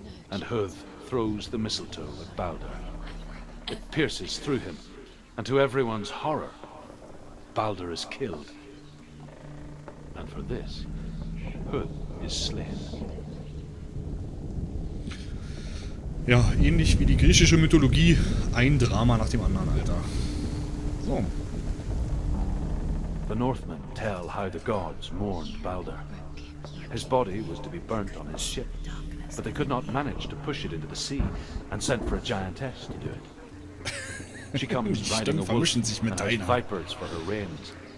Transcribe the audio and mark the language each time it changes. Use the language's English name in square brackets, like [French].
[English] And Hood throws the mistletoe at Baldur. It pierces through him, and to everyone's horror, Baldur is killed. And for this, Hood is slain. [German] Ja, ähnlich wie die griechische Mythologie, ein Drama nach dem anderen, Alter. So. [English] The Northmen tell how the gods mourned Baldur. His body was to be burnt on his ship. But they could not manage to push it into the sea and sent for a giantess to do it. She comes riding a wolf and has vipers for her reins.